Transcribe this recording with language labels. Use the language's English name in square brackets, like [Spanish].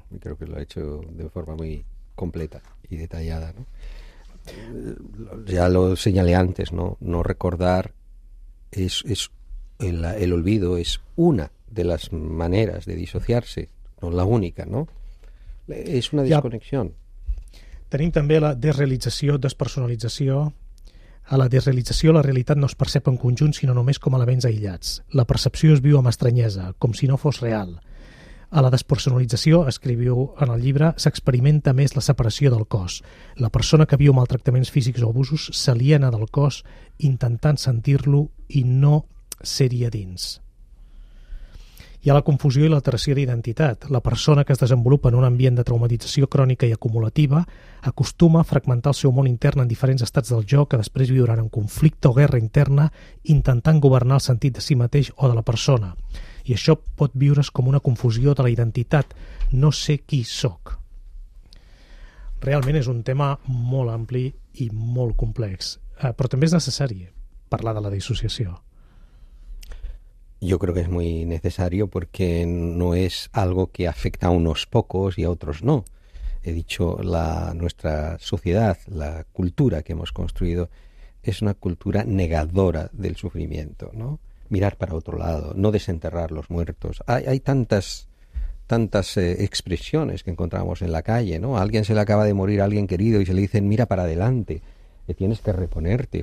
[Spanish] Creo que lo ha hecho de forma muy completa y detallada, ¿no? Ya lo señalé antes, ¿no? No recordar es el olvido es una de las maneras de disociarse, no la única, ¿no? Es una desconexión. [Catalan] Tenim també la desrealització, despersonalització. A la desrealització, la realitat no es percep en conjunt, sinó només com a elements aïllats. La percepció es viu amb estranyesa, com si no fos real. A la despersonalització, escriviu en el llibre, s'experimenta més la separació del cos. La persona que viu maltractaments físics o abusos s'aliena del cos intentant sentir-lo i no ser-hi a dins. Hi ha la confusió i l'alteració d'identitat. La persona que es desenvolupa en un ambient de traumatització crònica i acumulativa acostuma a fragmentar el seu món intern en diferents estats del jo que després viuran en conflicte o guerra interna intentant governar el sentit de si mateix o de la persona. I això pot viure's com una confusió de la identitat. No sé qui sóc. Realment és un tema molt ampli i molt complex, però també és necessari parlar de la dissociació. [Spanish] Yo creo que es muy necesario porque no es algo que afecta a unos pocos y a otros no. He dicho, nuestra sociedad, la cultura que hemos construido, es una cultura negadora del sufrimiento, ¿no? Mirar para otro lado, no desenterrar los muertos. Hay tantas expresiones que encontramos en la calle, ¿no? A alguien se le acaba de morir a alguien querido y se le dicen, mira para adelante, tienes que reponerte.